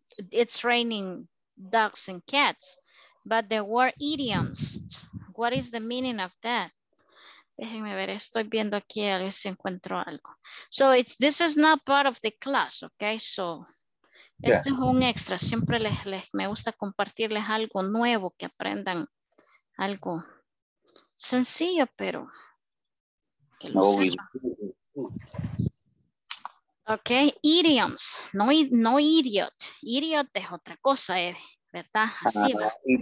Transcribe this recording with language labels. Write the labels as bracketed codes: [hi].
[en] It's raining dogs and cats, but there were idioms. What is the meaning of that? [es] Déjenme ver, estoy viendo aquí a ver si encuentro algo. [en] So it's, this is not part of the class, okay? [es] So esto es un extra. Siempre les me gusta compartirles algo nuevo, que aprendan algo sencillo, pero que lo sepan. Okay, idioms. No idiot. Idiot es otra cosa, ¿verdad? Así va.